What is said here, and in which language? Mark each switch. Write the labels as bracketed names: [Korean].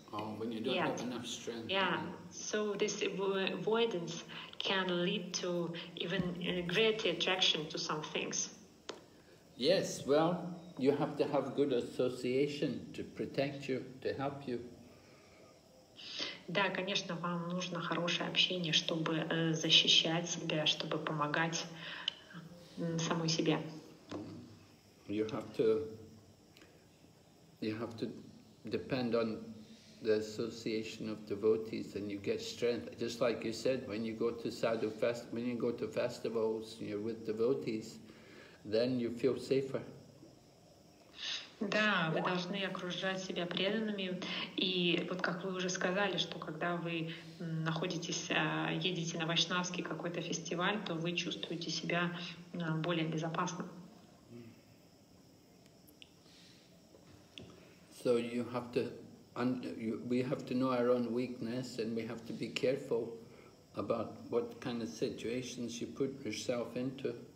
[English] Oh, when you don't have enough strength. Yeah. So this avoidance can lead to even greater attraction to some things. Yes, well, you have to have good association to protect you, to help you. [Russian] Да, конечно, вам нужно хорошее общение, чтобы защищать себя, чтобы помогать самой себе. [English] You have to depend on the association of devotees, and you get strength. Just like you said, when you go to sadhu fest, when you go to festivals, you're with devotees, then you feel safer. [Russian] Да, вы должны окружать себя преданными, и вот как вы уже сказали, что когда вы находитесь, едете на вайшнавский какой-то фестиваль, то вы чувствуете себя более безопасным. [English] So you have to, and we have to know our own weakness, and we have to be careful about what kind of situations you put yourself into.